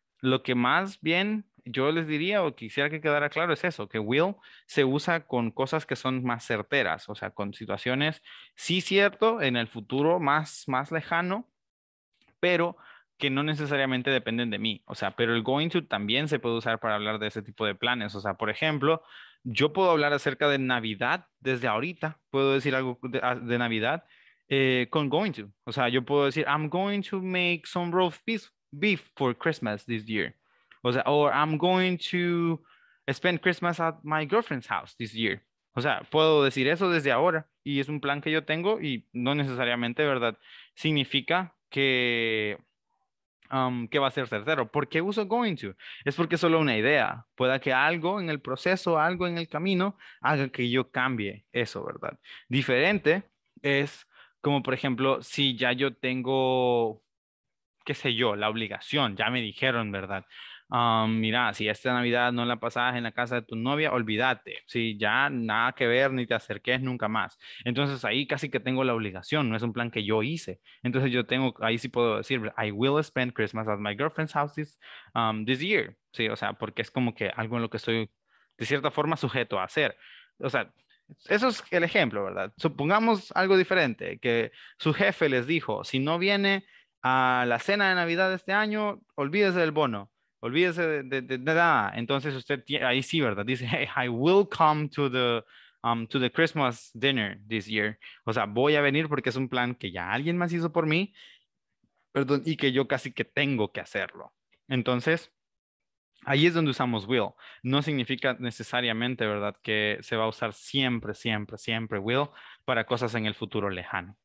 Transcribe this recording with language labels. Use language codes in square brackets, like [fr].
[es] Lo que más bien yo les diría o quisiera que quedara claro es eso, que will se usa con cosas que son más certeras, o sea, con situaciones, sí cierto, en el futuro más lejano, pero que no necesariamente dependen de mí. O sea, pero el going to también se puede usar para hablar de ese tipo de planes. O sea, por ejemplo, yo puedo hablar acerca de Navidad desde ahorita, puedo decir algo de Navidad con going to. O sea, yo puedo decir, [en] I'm going to make some roast beef for Christmas this year. [es] O sea, [en] or I'm going to spend Christmas at my girlfriend's house this year. [es] O sea, puedo decir eso desde ahora y es un plan que yo tengo y no necesariamente, ¿verdad?, significa que va a ser certero. ¿Por qué uso going to? Es porque es solo una idea. Pueda que algo en el proceso, algo en el camino, haga que yo cambie eso, ¿verdad? Diferente es como, por ejemplo, si ya yo tengo, qué sé yo, la obligación, ya me dijeron, ¿verdad? Mira, si esta Navidad no la pasabas en la casa de tu novia, olvídate, ¿sí? Ya nada que ver, ni te acerques nunca más. Entonces ahí casi que tengo la obligación, no es un plan que yo hice. Entonces yo tengo, ahí sí puedo decir, [en] I will spend Christmas at my girlfriend's house this year. [es] Sí, o sea, porque es como que algo en lo que estoy de cierta forma sujeto a hacer. O sea, Eso es el ejemplo, ¿verdad? Supongamos algo diferente, que su jefe les dijo, si no viene a la cena de Navidad de este año, olvídese del bono, olvídese de nada. Entonces usted ahí sí, ¿verdad? Dice, [en] hey, I will come to the Christmas dinner this year. [es] O sea, voy a venir porque es un plan que ya alguien más hizo por mí, perdón, y que yo casi que tengo que hacerlo. Entonces, ahí es donde usamos will. No significa necesariamente, ¿verdad?, que se va a usar siempre, siempre, siempre will para cosas en el futuro lejano.